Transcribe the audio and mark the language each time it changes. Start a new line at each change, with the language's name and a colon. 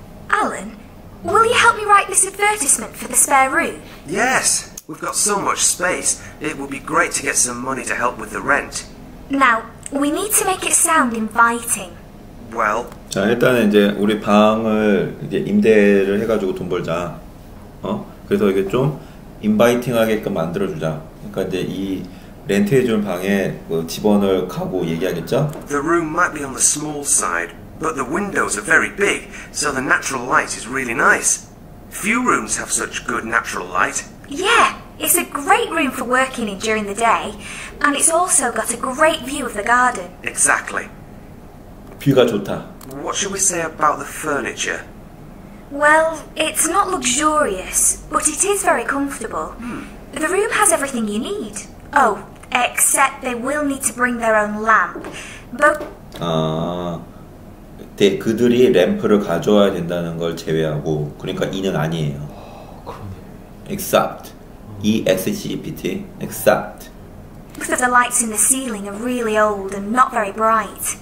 English: Alan, will you help me write this advertisement for the spare room? Yes, we've got so much space. It would be great to get some money to help with the rent. Now, we need to make it sound inviting. Well,
Korean: 자, 일단은 이제 우리 방을 이제 임대를 해 가지고 돈 벌자. 어? 그래서 이게 좀 인바이팅하게끔 만들어 주자. 그러니까 이제 이 렌트해 준 방에 뭐 집원을 가고 얘기하겠죠?
English: The room might be on the small side. But the windows are very big, so the natural light is really nice. Few rooms have such good natural light. Yeah, it's a great room for working in during the day, and it's also got a great view of the garden. Exactly.
Korean: 뷰가 좋다.
English: What should we say about the furniture? Well, it's not luxurious, but it is very comfortable. Hmm. The room has everything you need. Oh, except they will need to bring their own lamp. But...
Korean: 네, 그들이 램프를 가져와야 된다는 걸 제외하고 그러니까 이는 아니에요. 그러네.
English: Except. E-S-C-E-P-T. Except. Because the lights in the ceiling are really old and not very bright.